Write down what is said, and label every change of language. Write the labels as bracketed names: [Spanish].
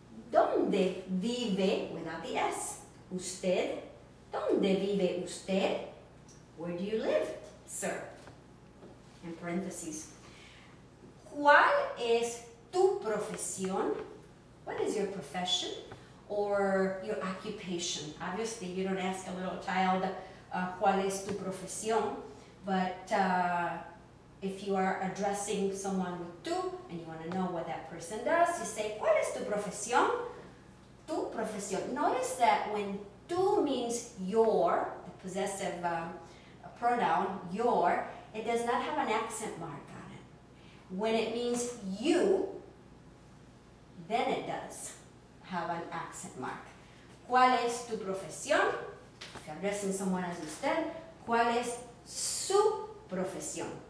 [Spanish] ¿Dónde vive? [English] Without the S. [Spanish] ¿Usted? ¿Dónde vive usted? [English] Where do you live, sir? In parentheses. [Spanish] ¿Cuál es tu profesión? [English] What is your profession or your occupation? Obviously, you don't ask a little child, [Spanish] ¿cuál es tu profesión? [English] But if you are addressing someone with tú and you want to know what that person does, you say, [Spanish] ¿cuál es tu profesión? Tu profesión. [English] Notice that when tú means your, the possessive pronoun, your, it does not have an accent mark on it. When it means you, then it does have an accent mark. [Spanish] ¿Cuál es tu profesión? [English] If you're addressing someone as usted, [Spanish] ¿cuál es su profesión?